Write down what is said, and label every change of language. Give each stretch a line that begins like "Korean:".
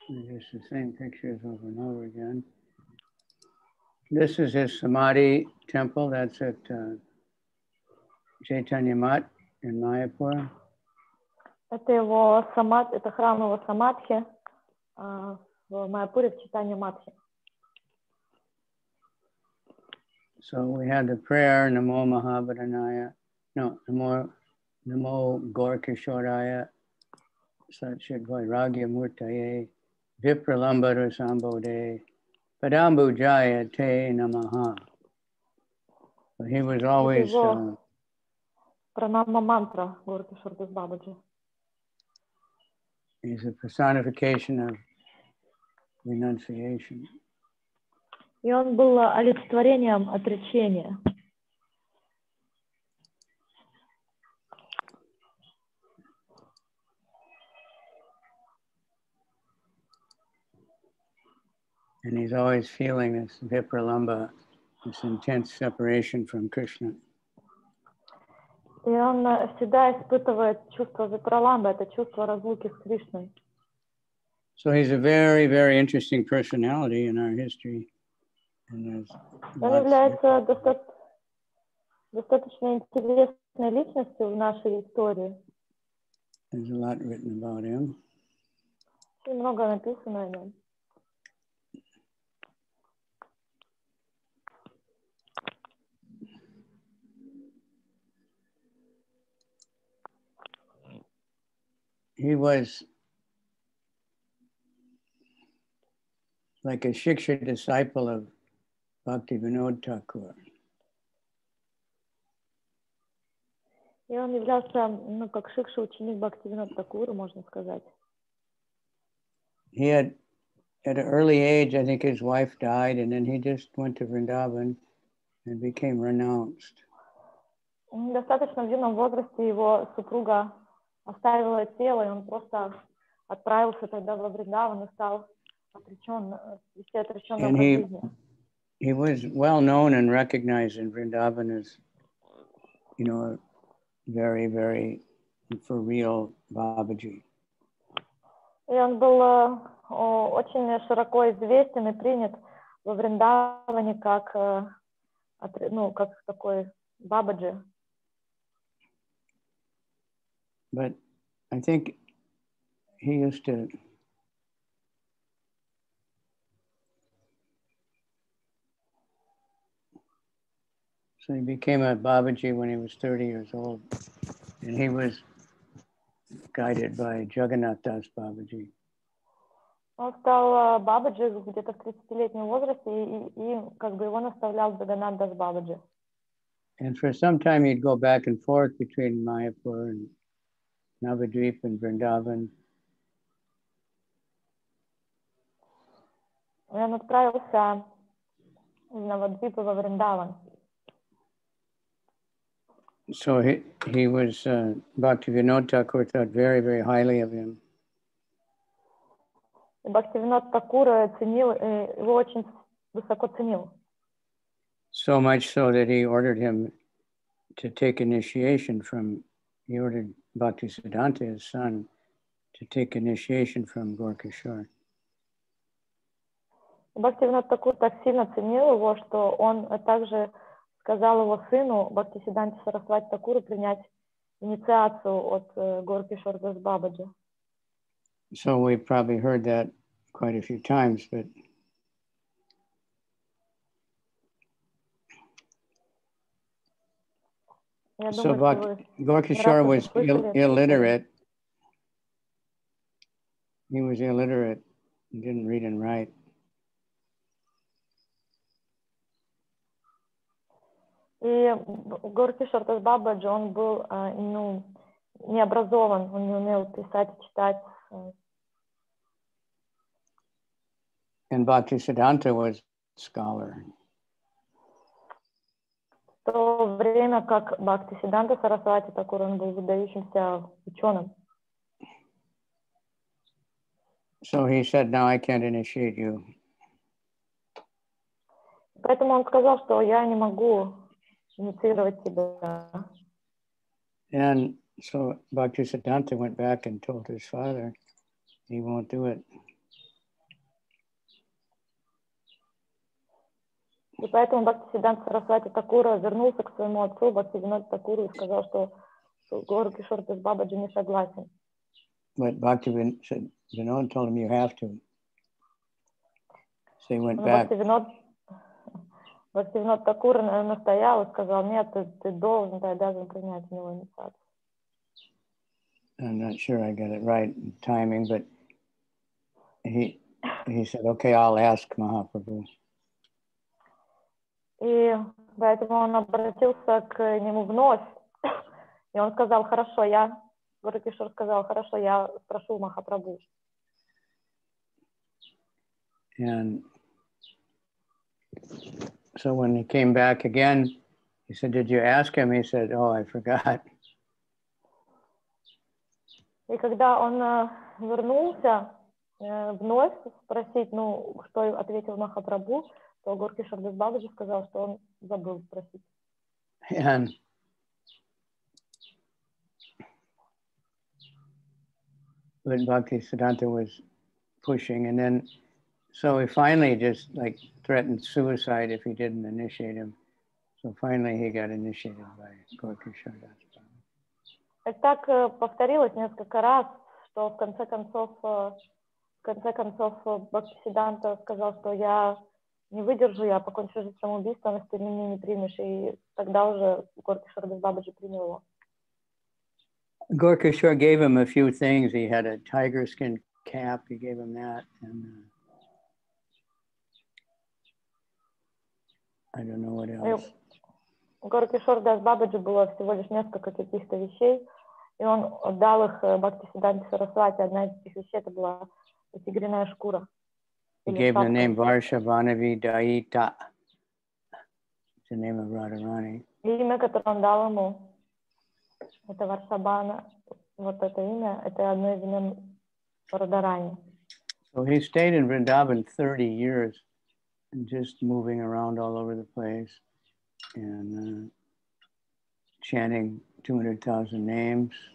English: Just the same pictures over and over again. This is his Samadhi temple. That's at Chaitanya Math in Mayapur.
Russian: Это его самад, это храм его самадхи в Майяпуре в Чайтанья Матхе.
English: So we had the prayer Namo Mahavadanaya.
Sanskrit: No, Namo Gaur Kishoraya Satchit Vairagya Murtaye. Vipralambara Sambode Padambu Jaya Te Namaha.
English: He was always Pranama Mantra, Guru Kishore Das Babaji. He's a personification of renunciation.
Russian: И он был олицетворением отречения.
English: And he's always feeling this vipralamba, this intense separation from Krishna.
Russian: И он всегда испытывает чувство випраламбы, это чувство разлуки с Кришной.
English: So he's a very, very interesting personality in our history. And there's
Russian: он является достаточно интересной личностью в нашей истории.
English: There's a lot written about him.
Russian: И много написано о нем.
English: He was like a Shiksha disciple of Bhakti Vinod Thakur.
Russian: И он являлся, ну, как Шикша ученик Бхакти Винод Такура, можно сказать.
English: He had, at an early age, I think his wife died, and then he just went to Vrindavan and became renounced.
Russian: Достаточно в юном возрасте его супруга оставила тело, и он просто отправился тогда во Вриндаван и стал отречен, вести отреченного жизни.
English: He was well known and recognized in Vrindavan as, you know, very, very for real Babaji.
Russian: И он был очень широко известен и принят во Вриндаване как, ну, как такой Бабаджи.
English: But I think he used to so he became a Babaji when he was 30 years old and he was guided by Jagannath Das Babaji.
Russian: Он стал Бабаджи где-то в 30-летнем возрасте и как бы его наставлял Джаганнат Дас Бабаджи.
English: And for some time he'd go back and forth between Mayapur and Navadvip and Vrindavan.
Russian: Он отправился из Навадвипа во Вриндаван.
English: So he was Bhaktivinoda Thakur thought very, very highly of him.
Russian: Бхактивинода Такура ценил его очень высоко ценил.
English: So much so that he ordered him to take initiation from he ordered Bhaktisiddhanta, his son, to take initiation from Gaur Kishore.
Russian: Бхактивинода Такур так сильно ценил его, что он также сказал его сыну Бхактисиддханте Сарасвати Такуру принять инициацию от Gaur Kishore Das Babaji.
English: So we probably heard that quite a few times, but so Gaur Kishore was illiterate. He was illiterate. He didn't read and write.
Russian: И Gaur Kishore Das Babaji, он был, ну, не образован. Он не умел писать и читать.
English: And Bhaktisiddhanta was a scholar.
Russian: В то время, как Бхактисиддханта Сарасвати Такур, он был выдающимся ученым.
English: So he said, now I can't initiate you.
Russian: Поэтому он сказал, что я не могу инициировать тебя.
English: And so Bhaktisiddhanta went back and told his father, he won't do it.
Russian: И поэтому Бхактисиддханта Сарасвати Такура вернулся к своему отцу Бхактивинода Такуру и сказал, что Gaur Kishore Das Babaji не согласен.
English: But Bhaktivinoda told him you have to. So he went
Russian: Бхактивинода Такура настоял и сказал, нет, ты должен, ты обязан принять у него инициацию.
English: I'm not sure I got it right in timing, but he said, okay, I'll ask Mahaprabhu.
Russian: И Поэтому он обратился к нему вновь, и он сказал: «Хорошо, я», Гуру Кишор сказал: «Хорошо, я спрошу Махапрабху».
English: And so when he came back again, he said, "Did you ask him?" He said, "Oh, I forgot."
Russian: И когда он вернулся вновь спросить, ну, что ответил Махапрабху, то Гурки Шардас Бабаджи сказал, что он забыл спросить.
English: And when Bhakti Siddhanta was pushing, and then so he finally just like threatened suicide if he didn't initiate him. So finally he got initiated by Gurki Shardas.
Russian: Так повторилось несколько раз, что в конце концов Бхактисиддханта сказал, что я не выдержу, я покончу жизнь самоубийством, если ты меня не примешь. И тогда уже Гурки Шардас Бабаджи принял его.
English: Gurki Shardas gave him a few things. He had a tiger skin cap, he gave him that. And I don't know what else.
Russian: Gurki Shardas Бабаджи было всего лишь несколько каких-то вещей. И он отдал их Бхактисиддханте Сарасвати. Одна из этих вещей — это была тигриная шкура.
English: He gave the name Varshavanavi Daita. It's the name of Radharani.
Russian: И имя, которое он дал ему, это Варшабана. Вот это имя, это одно из имен Радарани.
English: So he stayed in Vrindavan 30 years, just moving around all over the place and chanting 200,000 names.